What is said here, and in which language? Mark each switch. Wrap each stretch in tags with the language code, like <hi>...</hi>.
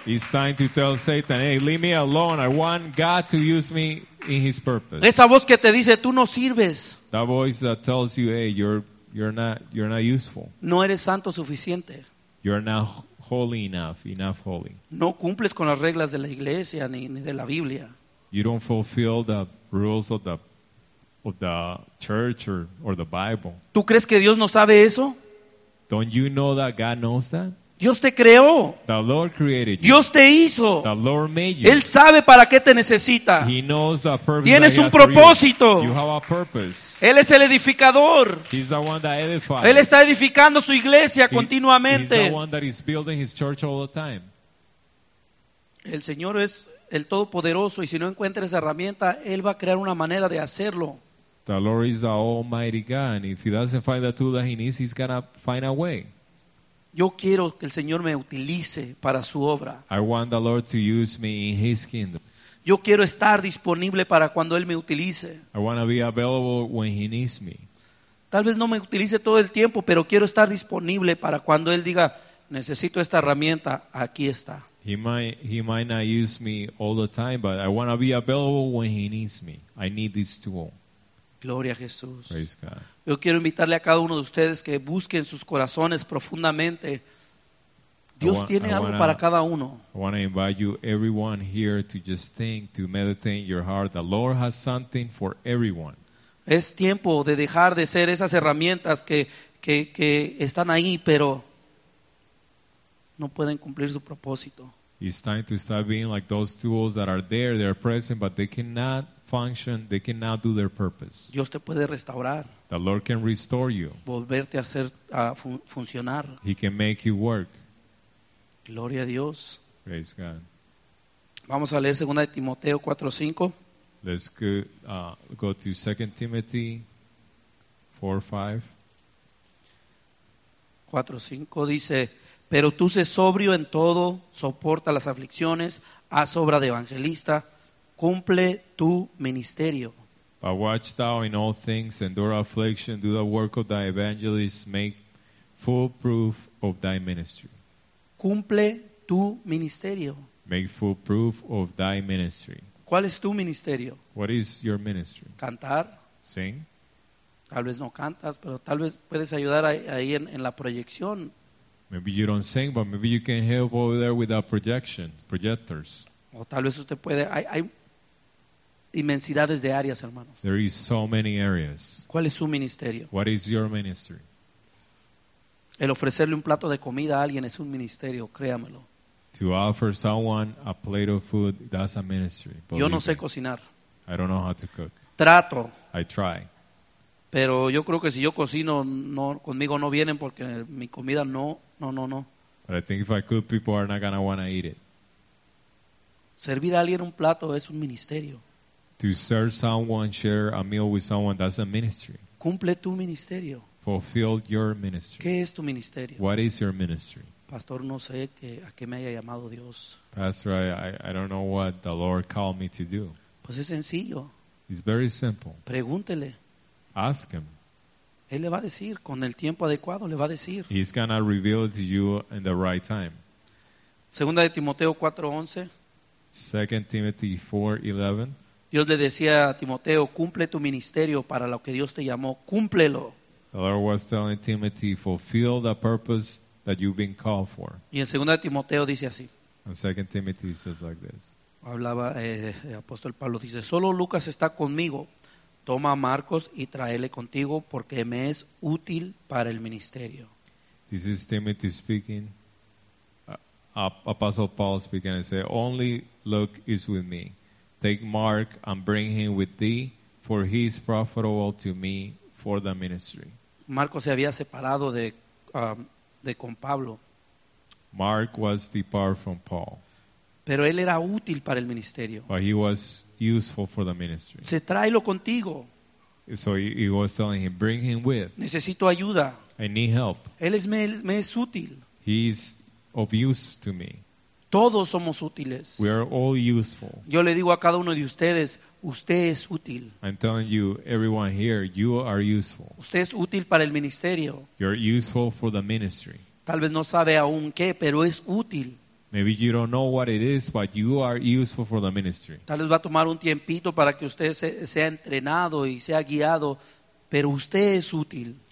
<en>It's time to tell Satan, hey, leave me alone. I want God to use me in His purpose.</en> <es>Esa voz que te dice, tú no sirves.</es> <en>That voice that tells you, hey, you're not useful.</en> <es>No eres santo suficiente.</es> <en>You're not holy enough holy.</en> <es>No cumples con las reglas de la iglesia ni de la Biblia.</es> <en>You don't fulfill the rules of the church or the Bible.</en> <es>¿Tú crees que Dios no sabe eso?</es> <en>Don't you know that God knows that?</en> <es>Dios te creó.</es> <en>The Lord created you.</en> <es>Dios te hizo.</es> <en>The Lord made you.</en> <es>Él sabe para qué te necesita.</es> <en>He knows the purpose.</en> <es>Tienes un propósito.</es> <en>You have a purpose.</en> <es>Él es el edificador.</es> <en>He's the one that edifies.</en> <es>Él está edificando su iglesia continuamente.</es> <en>He's the one that is building his church all the time.</en> <es>El Señor es el Todopoderoso y si no encuentra esa herramienta, Él va a crear una manera de hacerlo.</es> <en>The Lord is the Almighty God. And if He doesn't find the tool that He needs, He's going to find a way.</en> <es>Yo quiero que el Señor me utilice para su obra.</es> <en>I want the Lord to use me in His kingdom.</en> <es>Yo quiero estar disponible para cuando Él me utilice.</es> <en>I want to be available when He needs me.</en> <es>Tal vez no me utilice todo el tiempo, pero quiero estar disponible para cuando Él diga, necesito esta herramienta, aquí está.</es> <en>He might not use me all the time, but I want to be available when He needs me. I need this tool.</en> <es>Gloria a Jesús.</es> <en>Praise God.</en> <es>Yo quiero invitarle a cada uno de ustedes que busquen sus corazones profundamente. Dios tiene algo para cada uno.</es> <en>I want to invite you, everyone here, to just think, to meditate in your heart. The Lord has something for everyone.</en> <es>Es tiempo de dejar de ser esas herramientas que están ahí, pero no pueden cumplir su propósito.</es> <en>It's time to stop being like those tools that are there, they're present, but they cannot function, they cannot do their purpose.</en> <es>Dios te puede restaurar.</es> <en>The Lord can restore you.</en> <es>Volverte a hacer funcionar.</es> <en>He can make you work.</en> <es>Gloria a Dios.</es> <en>Praise God.</en> <es>Vamos a leer 2 Timoteo 4:5.</es> <en>Let's go to 2 Timothy 4:5.</en> <es>4:5 dice: pero tú sé sobrio en todo, soporta las aflicciones, haz obra de evangelista, cumple tu ministerio.</es> <en>But watch thou in all things, endure affliction, do the work of thy evangelist, make full proof of thy ministry.</en> <es>Cumple tu ministerio.</es> <en>Make full proof of thy ministry.</en> <es>¿Cuál es tu ministerio?</es> <en>What is your ministry?</en> <es>Cantar.</es> <en>Sing.</en> <es>Tal vez no cantas, pero tal vez puedes ayudar ahí en la proyección.</es> <en>Maybe you don't sing, but maybe you can help over there with that projectors.</en> <es>O tal vez usted puede. Hay inmensidades de áreas, hermanos.</es> <en>There is so many areas.</en> <es>¿Cuál es su ministerio?</es> <en>What is your ministry?</en> <es>El ofrecerle un plato de comida a alguien es un ministerio, créamelo.</es> <en>To offer someone a plate of food, that's a ministry.</en> <es>Yo no sé cocinar.</es> <en>I don't know how to cook.</en> <es>Trato.</es> <en>I try.</en> <es>Pero yo creo que si yo cocino, no, conmigo no vienen porque mi comida no.</es> <en>But I think if I cook, people are not going to want to eat it.</en> <es>Servir a alguien un plato es un ministerio.</es> <en>To serve someone, share a meal with someone, that's a ministry.</en> <es>Cumple tu ministerio.</es> <en>Fulfill your ministry.</en> <es>¿Qué es tu ministerio?</es> <en>What is your ministry?</en> <es>Pastor, no sé a qué me haya llamado Dios.</es> <en>Pastor, I don't know what the Lord called me to do.</en> <es>Pues es sencillo.</es> <en>It's very simple.</en> <es>Pregúntele.</es> <en>Ask him.</en> <es>Él le va a decir con el tiempo adecuado, le va a decir.</es> <en>He's going to reveal it to you in the right time.</en> <es>2 Timoteo 4:11.</es> <en>2 Timothy 4:11.</en> <es>Dios le decía a Timoteo, cumple tu ministerio para lo que Dios te llamó, cúmplelo.</es> <en>The Lord was telling Timothy, fulfill the purpose that you've been called for.</en> <es>Y en 2 Timoteo dice así.</es> <en>And 2 Timothy says like this.</en> <es>Hablaba el apóstol Pablo, dice, solo Lucas está conmigo. Toma a Marcos y tráele contigo porque me es útil para el ministerio.</es> <en>This is Timothy speaking. Apostle Paul speaking and say, only Luke is with me. Take Mark and bring him with thee, for he is profitable to me for the ministry.</en> <es>Marcos se había separado de con Pablo.</es> <en>Mark was departed from Paul.</en> <es>Pero él era útil para el ministerio.</es> <en>But he was useful for the ministry.</en> <es>Se tráelo contigo.</es> <en>So he was telling him, bring him with.</en> <es>Necesito ayuda.</es> <en>I need help.</en> <es>Él es me es útil.</es> <en>He is of use to me.</en> <es>Todos somos útiles.</es> <en>We are all useful.</en> <es>Yo le digo a cada uno de ustedes, usted es útil.</es> <en>I'm telling you, everyone here, you are useful.</en> <es>Usted es útil para el ministerio.</es> <en>You're useful for the ministry.</en> <es>Tal vez no sabe aún qué, pero es útil.</es> <en>Maybe you don't know what it is, but you are useful for the ministry.</en> <es>Tal vez va a tomar un tiempito para que usted sea entrenado y sea guiado, pero usted es útil.</es>